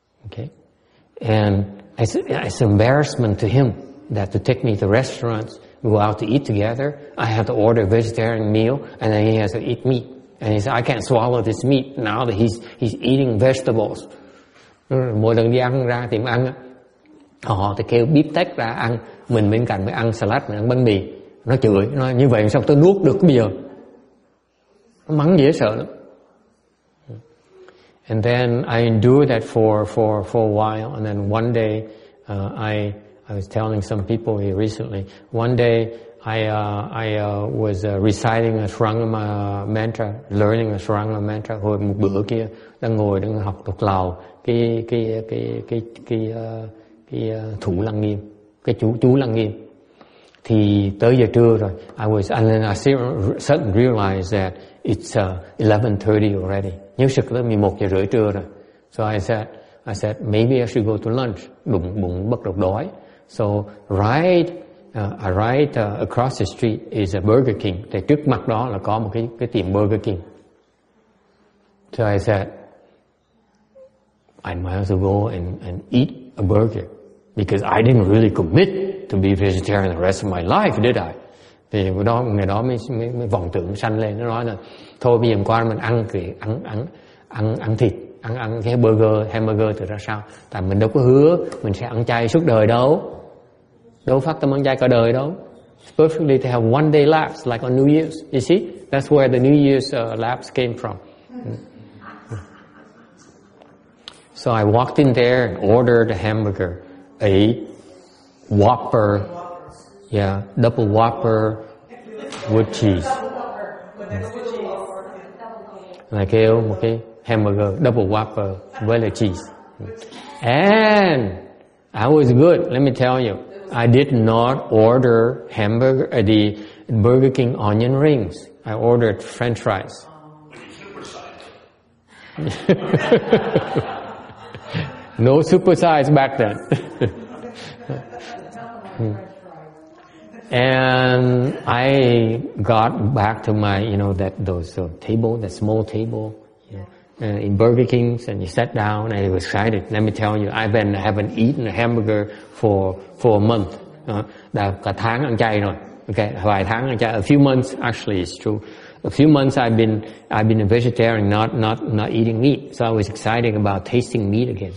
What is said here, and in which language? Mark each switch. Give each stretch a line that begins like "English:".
English: Okay, and it's an embarrassment to him that to take me to restaurants, go out to eat together. I have to order a vegetarian meal, and then he has to eat meat. And he said, "I can't swallow this meat now that he's eating vegetables."
Vietnamese: Mỗi lần đi ăn ra tiệm ăn, họ thì kêu bíp tách ra ăn, mình bên cạnh mới ăn salad, mình ăn bánh mì. Nó chửi, nó nói như vậy sao tôi nuốt được bây giờ? Nó mắng dễ sợ lắm.
English: And then I endured that for a while, and then one day I was telling some people here recently. One day I was reciting a Sarangama mantra, learning a Sarangama mantra.
Vietnamese: Hồi một bữa kia đang ngồi đang học thuộc lầu cái thủ lăng nghiêm, cái chú lăng nghiêm. Thì tới giờ trưa rồi.
English: I suddenly realized that it's 11:30 already.
Vietnamese: Nhớ sực là 11 giờ rưỡi trưa rồi.
English: So I said maybe I should go to lunch.
Vietnamese: Bụng bắt đầu đói.
English: So right across the street is a Burger King.
Vietnamese: Thì trước mặt đó là có một cái tiệm Burger King.
English: So I said I might as well go and eat a burger, because I didn't really commit to be vegetarian the rest of my life, did I?
Vietnamese: Thì đó ngày đó mới vọng tưởng sanh lên, nó nói là thôi bây giờ qua mình ăn thì ăn thịt, ăn cái hamburger thì ra sao? Tại mình đâu có hứa mình sẽ ăn chay suốt đời đâu. Đâu phát tâm ăn chay cả đời đâu.
English: Perfectly to have one day lapse like on New Year's. You see? That's where the New Year's lapse came from. So I walked in there and ordered a hamburger, a Whopper. Yeah, double Whopper with cheese.
Vietnamese: Là kêu một cái hamburger double Whopper với là cheese.
English: And I was good. Let me tell you, I did not order hamburger the Burger King onion rings. I ordered French fries. No super size back then. And I got back to my, you know, that those table, that small table, you know, in Burger King's, and you sat down and it was excited. Let me tell you, I haven't eaten a hamburger for a month.
Vietnamese: Đã cả tháng ăn chay rồi.
English: Okay,
Vietnamese: vài tháng ăn chay.
English: A few months, actually, it's true. A few months I've been a vegetarian, not eating meat. So I was excited about tasting meat again.